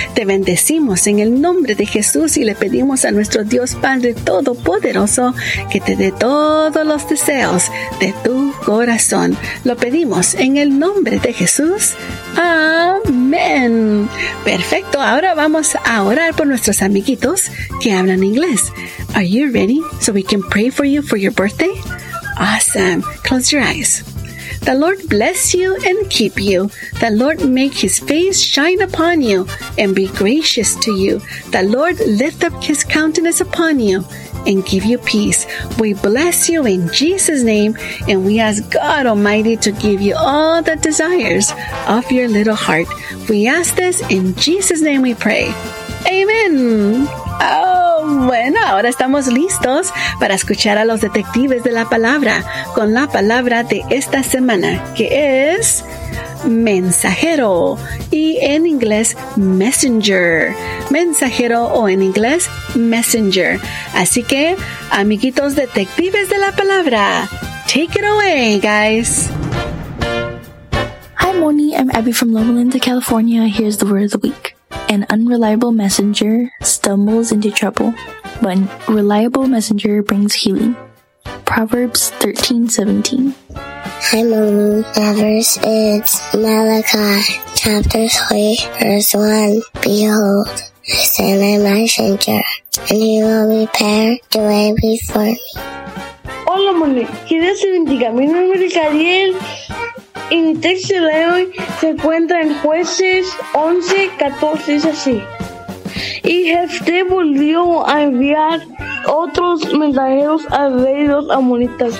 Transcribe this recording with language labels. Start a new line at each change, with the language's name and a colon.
Spanish: Te bendecimos en el nombre de Jesús y le pedimos a nuestro Dios Padre Todopoderoso que te dé todos los deseos de tu corazón. Lo pedimos en el nombre de Jesús. Amén. Perfecto. Ahora vamos a orar por nuestros amiguitos que hablan inglés.
English: Are you ready so we can pray for your birthday? Awesome. Close your eyes. The Lord bless you and keep you. The Lord make his face shine upon you and be gracious to you. The Lord lift up his countenance upon you and give you peace. We bless you in Jesus' name, and we ask God Almighty to give you all the desires of your little heart. We ask this in Jesus' name we pray. Amen.
Spanish: Bueno, ahora estamos listos para escuchar a los detectives de la palabra con la palabra de esta semana, que es mensajero y en inglés messenger. Mensajero o en inglés messenger. Así que, amiguitos detectives de la palabra,
English: take it away, guys. Hi, Moni. I'm Abby from Loma Linda, California. Here's the word of the week. An unreliable messenger stumbles into trouble, but a reliable messenger brings healing. Proverbs 13:17. Hi, Mommy. That verse is Malachi, chapter 3, verse 1. Behold, I send a messenger, and he will prepare the way before me.
Spanish: Hola, Mommy. Que Dios te bendiga. Mi nombre es Ariel. Y mi texto de hoy se encuentra en Jueces 11:14, es así. Y Jefté volvió a enviar otros mensajeros a rey de los amonitas.